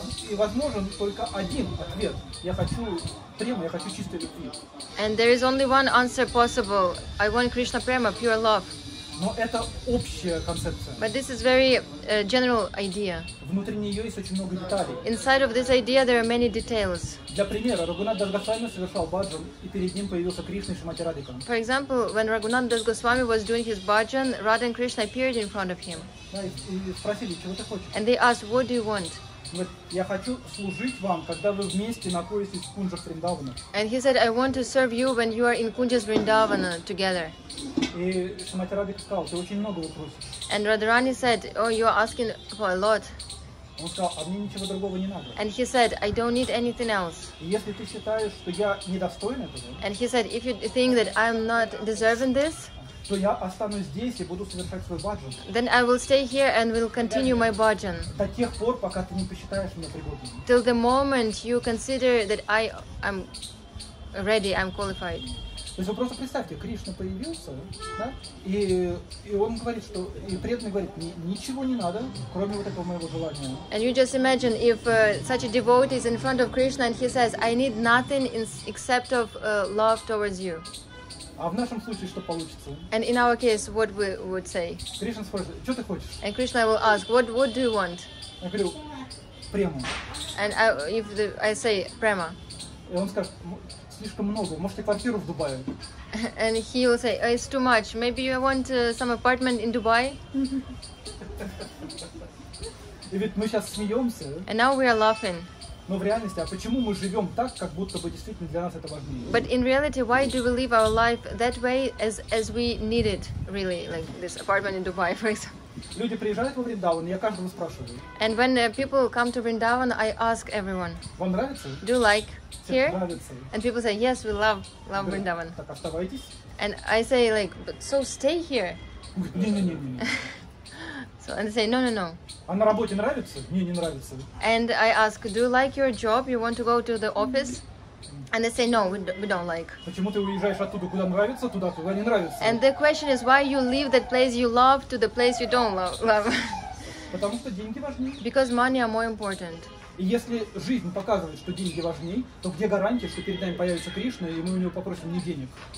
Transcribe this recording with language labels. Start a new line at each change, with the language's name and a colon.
Russian: И возможен только один ответ. Я хочу према, я хочу чистой любви.
English: And there is only one answer possible. I want Krishna prema, pure love.
Russian: Но это общая концепция.
English: But this is very general idea.
Russian: Внутри нее есть очень много деталей.
English: Inside of this idea there are many details.
Russian: Для примера, Рагунат Дасгосвами совершал баджан, и перед ним появился Кришна и Шримати Радика.
English: For example, when Рагунат Дасгосвами was doing his баджан, Радха и Кришна appeared in front of him.
Russian: И спросили, чего ты хочешь?
English: And they asked, what do you want?
Russian: Я хочу служить вам, когда вы вместе находитесь в Кунджа Вриндавана.
English: And he said, I want to serve you when you are in Kunja Vrindavana together.
Russian: И Шримати Радика сказал, ты очень много вопросов.
English: And Radharani said, oh, you are asking for a lot.
Russian: Он сказал, а мне ничего другого не надо.
English: And he said, I don't need anything else.
Russian: И если ты считаешь, что я недостоин этого.
English: And he said, if you think that I'm not deserving this.
Russian: То я останусь здесь и буду совершать свой баджан.
English: Then I will stay here and will continue my bhajan.
Russian: До тех пор, пока ты не посчитаешь меня пригодным.
English: Till the moment you consider that I am ready, I'm qualified.
Russian: То есть вы просто представьте, Кришна появился, да, и он говорит, что и преданный говорит, ничего не надо, кроме вот этого моего желания.
English: And you just imagine if such a devotee is in front of Krishna and he says, I need nothing except of love towards you.
Russian: А в нашем случае что получится?
English: And in our case, what we would say?
Russian: Кришна спрашивает, что ты хочешь?
English: And Krishna will ask, what do you want?
Russian: Я говорю, према.
English: And I say према.
Russian: И он скажет, слишком много, может и квартиру в Дубае?
English: And he will say, it's too much. Maybe you want some apartment in Dubai?
Russian: И ведь мы сейчас смеемся.
English: And now we are laughing.
Russian: Но в реальности, а почему мы живем так, как будто бы действительно для нас это важнее?
English: But in reality, why do we live our life that way as we need it really, like this apartment in Dubai, for example?
Russian: Люди приезжают во Вриндаван, я каждому спрашиваю.
English: And when people come to Vrindavan, I ask everyone.
Russian: Вам нравится?
English: Do you like here?
Russian: Нравится.
English: And people say, yes, we love Vrindavan.
Russian: Так оставайтесь.
English: And I say, like, but so stay here.
Russian: Не-не-не-не.
English: So, and they say, no.
Russian: А на работе нравится? Не нравится.
English: And I ask, do you like your job? You want to go to the office? And they say, no, we don't like.
Russian: Почему ты уезжаешь оттуда, куда нравится, туда не нравится?
English: And the question is, why you leave that place you love to the place you don't love?
Russian: Потому что деньги важнее.
English: Because money are more important.
Russian: И если жизнь показывает, что деньги важнее, то где гарантия, что перед нами появится Кришна, и мы у него попросим не денег?